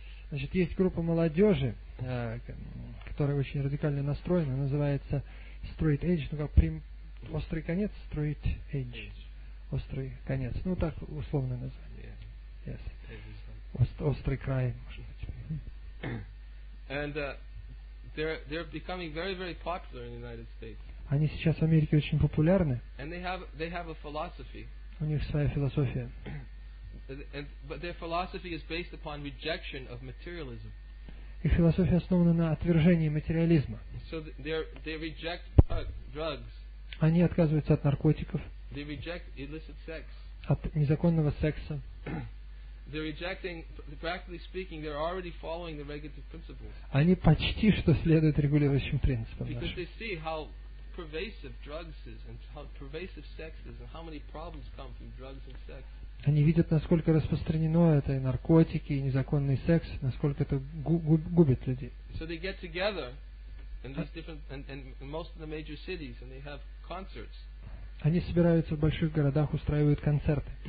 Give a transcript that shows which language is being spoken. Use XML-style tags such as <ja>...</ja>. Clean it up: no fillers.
<ru>Значит, есть группа молодежи, которая очень радикально настроена, называется Straight Edge, ну как острый конец, Straight Edge. Острый конец. Ну так условно название.</ru> <en>Yeah. Yes.</en> <ru>Острый край, может быть.</ru> <en>And they're becoming very, very popular in the United States.</en> <ru>Они сейчас в Америке очень популярны.</ru> <en>And they have a philosophy.</en> <ru>У них своя философия.</ru> <en>But their philosophy is based upon rejection of materialism.</en> <ru>Их философия основана на отвержении материализма.</ru> <en>So they reject drugs.</en> <ru>Они отказываются от наркотиков.</ru> <en>They reject illicit sex.</en> <ru>От незаконного секса.</ru> <en>They're rejecting, practically speaking, they're already following the regulative principles.</en> <ru>Они почти что следуют регулирующим принципам.</ru> <en>Because they see how pervasive drugs is and how pervasive sex is and how many problems come from drugs and sex.</en> <ru>Они видят, насколько распространено это, и наркотики, и незаконный секс, насколько это губит людей. Они собираются в больших городах, устраивают концерты.</ru>